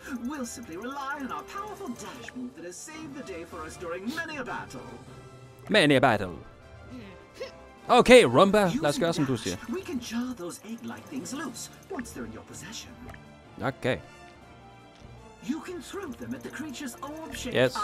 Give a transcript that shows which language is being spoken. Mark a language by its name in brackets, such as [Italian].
[English] We'll simply rely on our powerful dash move that has saved the day for us during many a battle. Many a battle. [Danish] Okay, Rumba, lad os gøre som du siger. [English] We can jar those egg-like things loose once they're in your possession. Okay. You can throw them at the creature's orb-shaped yes.